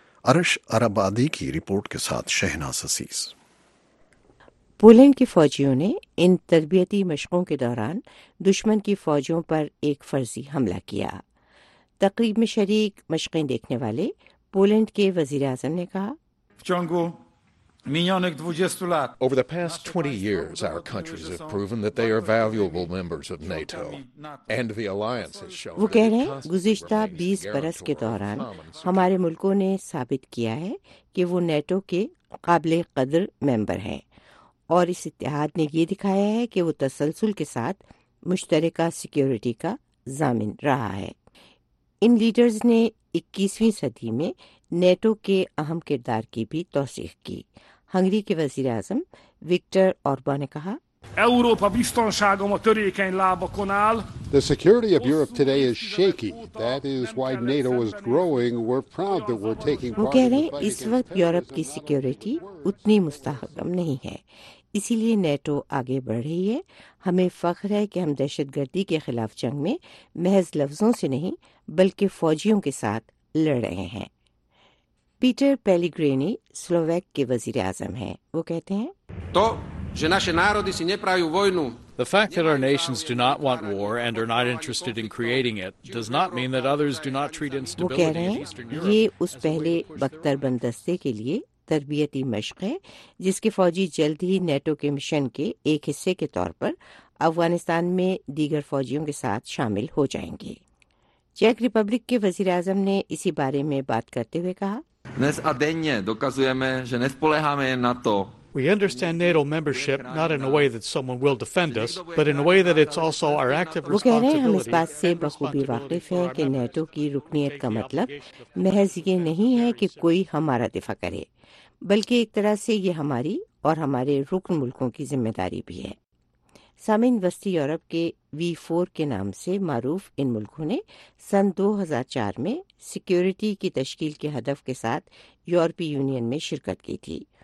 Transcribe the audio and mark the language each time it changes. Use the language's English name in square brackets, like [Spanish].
[Urdu] ارش عربادی کی رپورٹ کے ساتھ شہناز عزیز. پولینڈ کے فوجیوں نے ان تربیتی مشقوں کے دوران دشمن کی فوجیوں پر ایک فرضی حملہ کیا. تقریب میں شریک مشقیں دیکھنے والے پولینڈ کے وزیر اعظم نے کہا [English] Over the past 20 years, our countries have proven that they are valuable members of NATO, and the alliance has shown. [Urdu] وہ کہہ رہے ہیں گزشتہ 20 برس کے دوران ہمارے ملکوں نے ثابت کیا ہے کہ وہ نیٹو کے قابل قدر ممبر ہیں، اور اس اتحاد نے یہ دکھایا ہے کہ وہ تسلسل کے ساتھ مشترکہ سیکیورٹی کا ضامن رہا ہے. ان لیڈرز نے 21ویں صدی میں نیٹو کے اہم کردار کی بھی توثیق کی. ہنگری کے وزیر اعظم وکٹر اوربا نے کہا [English] The security of Europe today is shaky. That is why NATO is growing. We're proud that we're taking part. [Urdu] وہ کہہ رہے ہیں اس وقت یورپ کی سیکیورٹی اتنی مستحکم نہیں ہے، اسی لیے نیٹو آگے بڑھ رہی ہے. ہمیں فخر ہے کہ ہم دہشت گردی کے خلاف جنگ میں محض لفظوں سے نہیں بلکہ فوجیوں کے ساتھ لڑ رہے ہیں. پیٹر پیلیگرینی سلوویک کے وزیر اعظم ہیں، وہ کہتے ہیں [Slovak] تو Že naše národy si nepraju vojnu. [English] The fact that our nations do not want war and are not interested in creating it does not mean that others do not treat instability in Eastern Europe. [Urdu] یہ اس پہلے بختربند دستے کے لیے تربیتی مشق ہے جس کے فوجی جلد ہی نیٹو کے مشن کے ایک حصے کے طور پر افغانستان میں دیگر فوجیوں کے ساتھ شامل ہو جائیں گے. چیک ریپبلک کے وزیر اعظم نے اسی بارے میں بات کرتے ہوئے کہا [Czech] Dnes a denně dokazujeme, že nespoléháme jen na to. [English] We understand NATO membership not in a way that someone will defend us, but in a way that it's also our active responsibility. [Urdu] وہ کہہ رہے ہیں ہم اس بات سے بخوبی واقف ہیں کہ نیٹو کی رکنیت کا مطلب محض یہ نہیں ہے کہ کوئی ہمارا دفاع کرے، بلکہ ایک طرح سے یہ ہماری اور ہمارے رکن ملکوں کی ذمہ داری بھی ہے. سامعین، وسطی یورپ کے V4 کے نام سے معروف ان ملکوں نے سن 2004 میں سیکیورٹی کی تشکیل کے ہدف کے ساتھ یورپی یونین میں شرکت کی تھی.